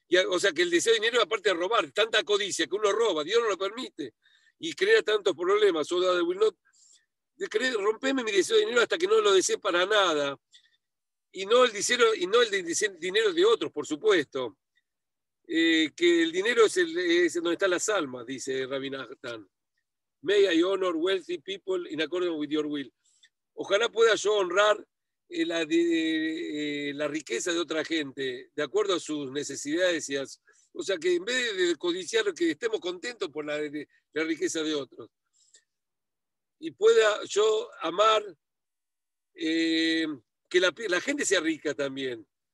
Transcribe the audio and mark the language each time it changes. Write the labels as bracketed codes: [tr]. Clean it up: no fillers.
[es] O sea que el deseo de dinero, aparte de robar, tanta codicia que uno roba, Dios no lo permite, y crea tantos problemas, o de [en] will not, [es] rompeme mi deseo de dinero hasta que no lo desee para nada. Y no el dinero de otros, por supuesto. Que el dinero es donde están las almas, dice Rabbi Nachman. [en] May I honor wealthy people in accordance with your will. [es] Ojalá pueda yo honrar la riqueza de otra gente, de acuerdo a sus necesidades. O sea, que en vez de codiciar, que estemos contentos por la riqueza de otros. Y pueda yo amar... que la gente sea rica también.